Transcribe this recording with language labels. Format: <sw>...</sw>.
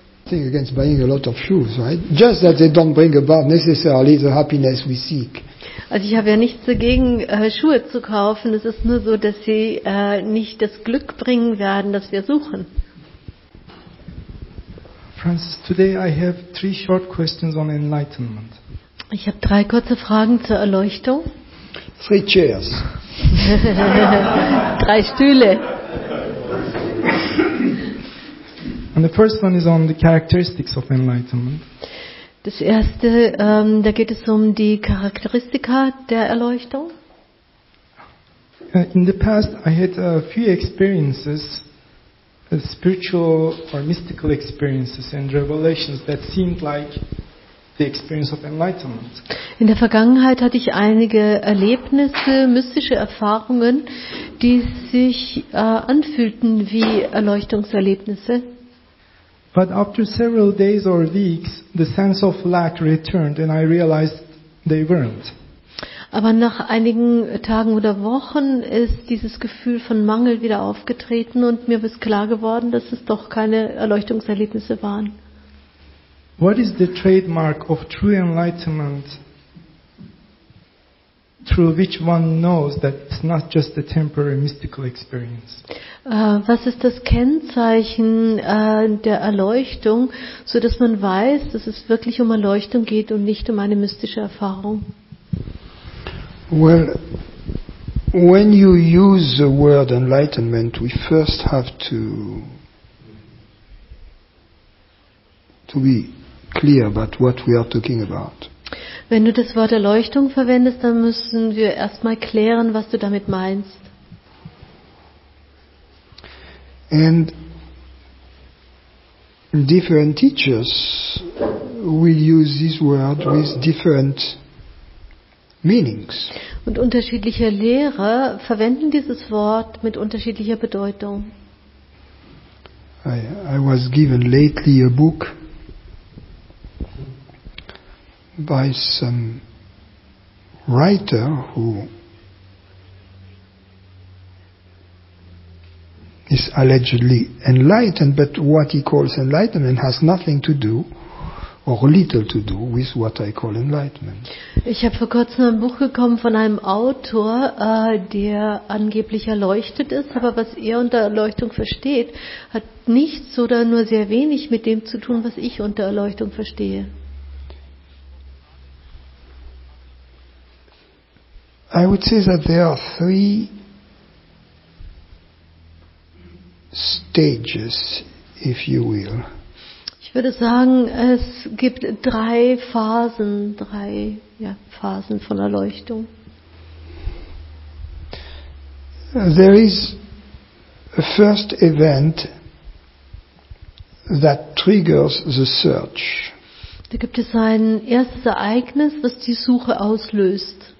<en>Think against buying a lot of shoes, right? Just that they don't bring about necessarily the happiness we seek.</en> <de>Also ich habe ja nichts dagegen, Schuhe zu kaufen. Es ist nur so, dass sie nicht das Glück bringen werden, das wir suchen.</de> <en>Francis, today I have three short questions on enlightenment.</en> <de>Ich habe drei kurze Fragen zur Erleuchtung.</de> <en>Three chairs.</en> <de>Drei Stühle.</de> <en>And the first one is on the characteristics of enlightenment.</en> <de>Das erste, da geht es um die Charakteristika der Erleuchtung.</de> <en>In the past I had a few experiences, spiritual or mystical experiences and revelations that seemed like the experience of enlightenment.</en> <de>In der Vergangenheit hatte ich einige Erlebnisse, mystische Erfahrungen, die sich anfühlten wie Erleuchtungserlebnisse.</de> <en>But after several days or weeks, the sense of lack returned and I realized they weren't.</en> <de>Aber nach einigen Tagen oder Wochen ist dieses Gefühl von Mangel wieder aufgetreten und mir ist klar geworden, dass es doch keine Erleuchtungserlebnisse waren.</de> <en>What is the trademark of true enlightenment through which one knows that it's not just a temporary mystical experience?</en> <de>Was ist das Kennzeichen der Erleuchtung, so dass man weiß, dass es wirklich um Erleuchtung geht und nicht um eine mystische Erfahrung?</de> <en>Well, when you use the word enlightenment, we first have to be clear about what we are talking about.</en> <de>Wenn du das Wort Erleuchtung verwendest, dann müssen wir erstmal klären, was du damit meinst.</de> <en>And different teachers will use this word with different meanings.</en> <de>Und unterschiedliche Lehrer verwenden dieses Wort mit unterschiedlicher Bedeutung.</de> <en>I was given lately a book by some writer who is allegedly enlightened, but what he calls enlightenment has nothing to do or little to do with what I call enlightenment.</en> <de>Ich habe vor kurzem ein Buch bekommen von einem Autor, der angeblich erleuchtet ist, aber was er unter Erleuchtung versteht, hat nichts oder nur sehr wenig mit dem zu tun, was ich unter Erleuchtung verstehe.</de> <en>I would say that there are three stages, if you will.</en> <de>Ich würde sagen, es gibt drei Phasen von Erleuchtung.</de> <en>There is a first event that triggers the search.</en> <de>Da gibt es ein erstes Ereignis, was die Suche auslöst.</de>